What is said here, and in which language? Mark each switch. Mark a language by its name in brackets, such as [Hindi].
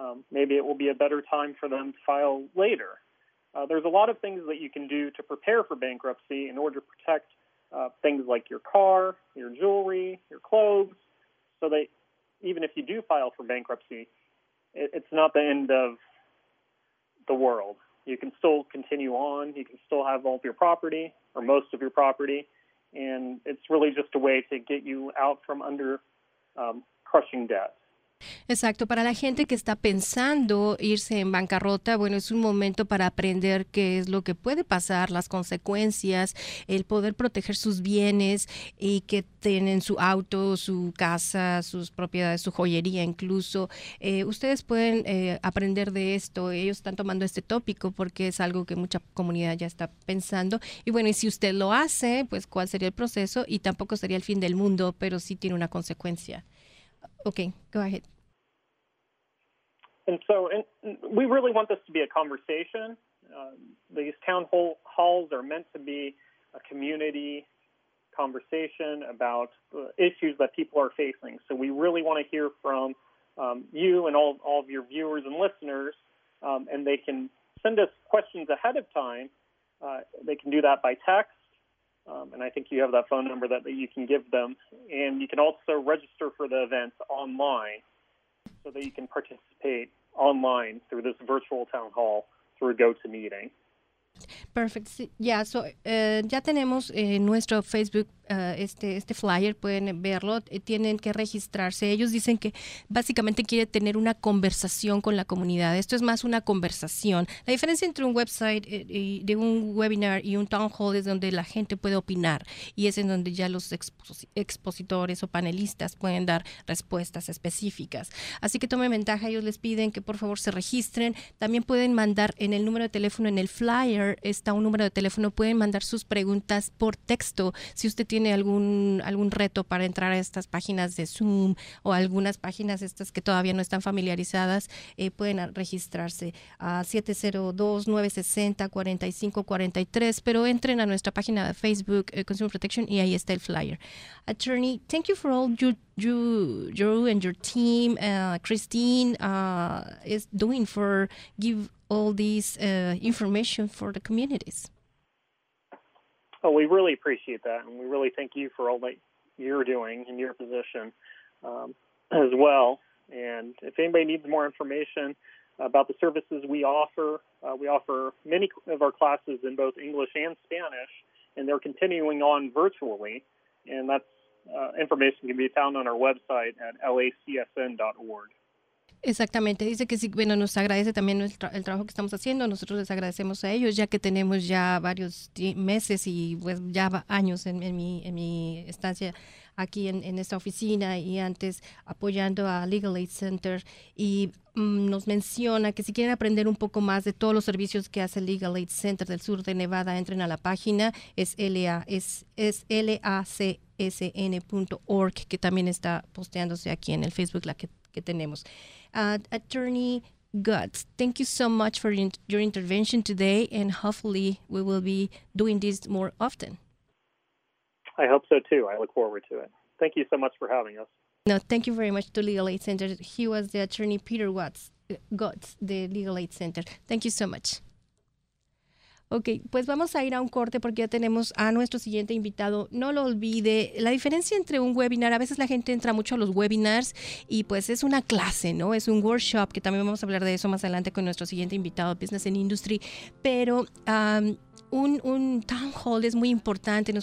[English] Maybe it will be a better time for them to file later. There's a lot of things that you can do to prepare for bankruptcy in order to protect things like your car, your jewelry, your clothes, so that even if you do file for bankruptcy, it's not the end of the world. You can still continue on. You can still have all of your property or most of your property, and it's really just a way to get you out from under crushing debt. [Spanish] Exacto. Para la gente que está pensando irse en bancarrota, bueno, es un momento para aprender qué es lo que puede pasar, las consecuencias, el poder proteger sus bienes y que tienen su auto, su casa, sus propiedades, su joyería incluso. Ustedes pueden aprender de esto. Ellos están tomando este tópico porque es algo que mucha comunidad ya está pensando. Y bueno, y si usted lo hace, pues ¿cuál sería el proceso? Y tampoco sería el fin del mundo, pero sí tiene una consecuencia. [English] Okay, go ahead. And so we really want this to be a conversation. These town halls are meant to be a community conversation about the issues that people are facing. So we really want to hear from you and all of your viewers and listeners, and they can send us questions ahead of time. They can do that by text. And I think you have that phone number that you can give them. And you can also register for the events online so that you can participate online through this virtual town hall through GoToMeeting. Perfect. [Spanish] Yeah, so ya tenemos en nuestro Facebook este flyer, pueden verlo, tienen que registrarse. Ellos dicen que básicamente quiere tener una conversación con la comunidad. Esto es más una conversación. La diferencia entre un website y de un webinar y un town hall es donde la gente puede opinar y es en donde ya los expositores o panelistas pueden dar respuestas específicas. Así que tomen ventaja, ellos les piden que por favor se registren. También pueden mandar en el número de teléfono en el flyer, está un número de teléfono, pueden mandar sus preguntas por texto. Si usted tiene algún reto para entrar a estas páginas de Zoom o algunas páginas estas que todavía no están familiarizadas, pueden registrarse a 702-960-4543, pero entren a nuestra página de Facebook, Consumer Protection, y ahí está el flyer. [English] Attorney, thank you for all you and your team, Christine, is doing for give all this information for the communities. Oh, we really appreciate that, and we really thank you for all that you're doing in your position as well. And if anybody needs more information about the services we offer many of our classes in both English and Spanish, and they're continuing on virtually, and that information can be found on our website at lacsn.org. [Spanish] Exactamente, dice que sí, bueno, nos agradece también el trabajo que estamos haciendo, nosotros les agradecemos a ellos ya que tenemos ya varios meses y pues ya años en mi estancia aquí en esta oficina y antes apoyando a Legal Aid Center y nos menciona que si quieren aprender un poco más de todos los servicios que hace Legal Aid Center del sur de Nevada, entren a la página, es lacsn.org, que también está posteándose aquí en el Facebook la que tenemos. [English] Attorney Guts, thank you so much for your intervention today, and hopefully we will be doing this more often. I hope so, too. I look forward to it. Thank you so much for having us. No, thank you very much to Legal Aid Center. He was the attorney, Peter Guts, the Legal Aid Center. Thank you so much. [Spanish] Ok, pues vamos a ir a un corte porque ya tenemos a nuestro siguiente invitado. No lo olvide, la diferencia entre un webinar, a veces la gente entra mucho a los webinars y pues es una clase, ¿no? Es un workshop, que también vamos a hablar de eso más adelante con nuestro siguiente invitado, Business and Industry, pero un town hall es muy importante.